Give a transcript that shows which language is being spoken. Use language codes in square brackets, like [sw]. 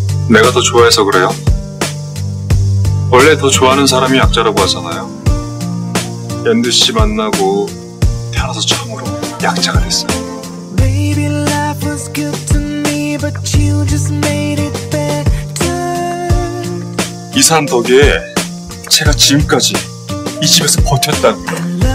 [ko] 내가 더 좋아해서 그래요? 원래 더 좋아하는 사람이 약자라고 하잖아요. 연두 씨 만나고 태어나서 처음으로 약자가 됐어요. [en] Maybe life was good to me, but you just made it better. [ko] 이 산 덕에 제가 지금까지 이 집에서 버텼다고요.